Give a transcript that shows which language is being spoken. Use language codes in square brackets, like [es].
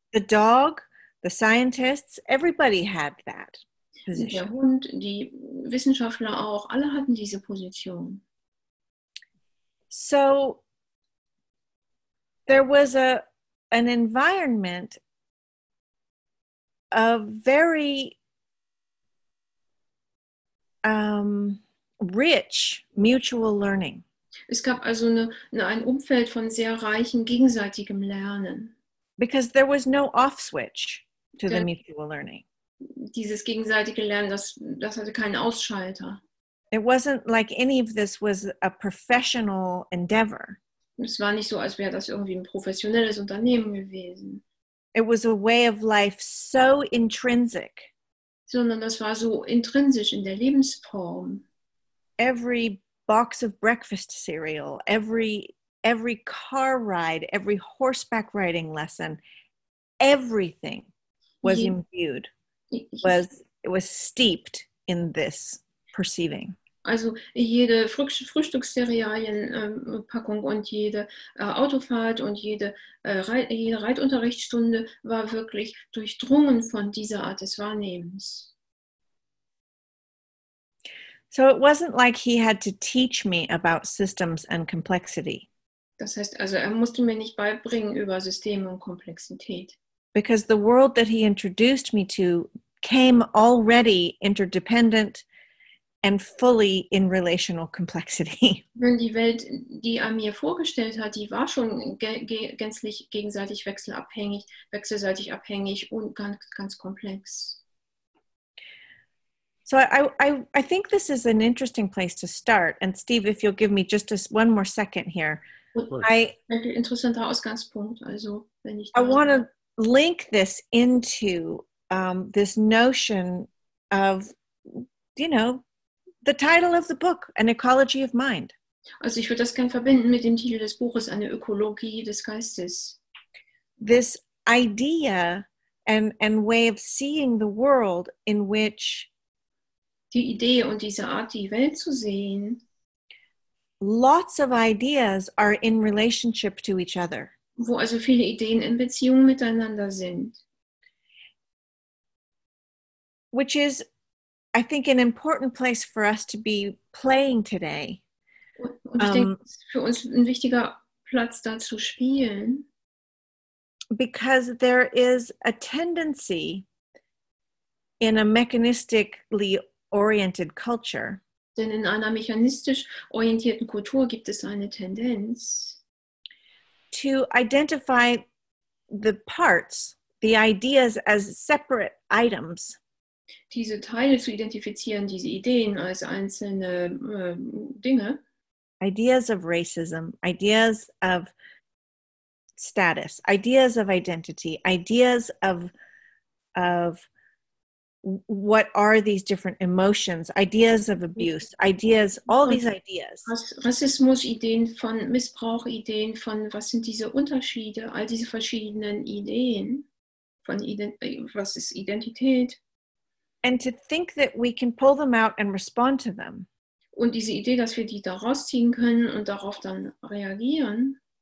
[en] The dog, the scientists, everybody had that position. [de] Der Hund, die Wissenschaftler auch, alle hatten diese Position. [en] So there was an environment of very rich mutual learning. [de] Es gab also ein Umfeld von sehr reichem gegenseitigem Lernen. [en] Because there was no off switch to the mutual learning. [de] Dieses gegenseitige Lernen, das hatte keinen Ausschalter. [en] It wasn't like any of this was a professional endeavor. [de] Es war nicht so, als wäre das irgendwie ein professionelles Unternehmen gewesen. [en] It was a way of life so intrinsic. [de] Sondern das war so intrinsisch in der Lebensform. [en] Every box of breakfast cereal, every car ride, every horseback riding lesson, everything was imbued, was steeped in this perceiving. [de] Also jede Frühstücksserialienpackung und jede Autofahrt und jede Reitunterrichtsstunde war wirklich durchdrungen von dieser Art des Wahrnehmens. [en] So it wasn't like he had to teach me about systems and complexity. [de] Das heißt also, er musste mir nicht beibringen über Systeme und Komplexität. [en] Because the world that he introduced me to came already interdependent and fully in relational complexity. [de] Denn die Welt, die er mir vorgestellt hat, die war schon gänzlich gegenseitig wechselseitig abhängig und ganz, ganz komplex. [en] So I think this is an interesting place to start. And Steve, if you'll give me just one more second here. [de] Interessanter Ausgangspunkt. Also, wenn ich [en] I want to link this into this notion of, you know, the title of the book, An Ecology of Mind. [de] Also ich würde das gerne verbinden mit dem Titel des Buches, Eine Ökologie des Geistes. [en] This idea and way of seeing the world in which [de] die Idee und diese Art, die Welt zu sehen. [en] Lots of ideas are in relationship to each other. [de] Wo also viele Ideen in Beziehung miteinander sind. [en] Which is, I think, an important place for us to be playing today. [de] Und ich denke, es ist für uns ein wichtiger Platz, da zu spielen. [en] Because there is a tendency in a mechanistically oriented culture. [de] Denn in einer mechanistisch orientierten Kultur gibt es eine Tendenz, [en] to identify the parts, the ideas as separate items. [de] Diese Teile zu identifizieren, diese Ideen als einzelne Dinge. [en] Ideas of racism, ideas of status, ideas of identity, ideas of what are these different emotions, ideas of abuse, ideas, all these ideas. [de] Rassismus, Ideen von Missbrauch, Ideen von, was sind diese Unterschiede, all diese verschiedenen Ideen von, was ist Identität? [en] And to think that we can pull them out and respond to them. [de] Und diese Idee, dass wir die da rausziehen können und darauf dann reagieren.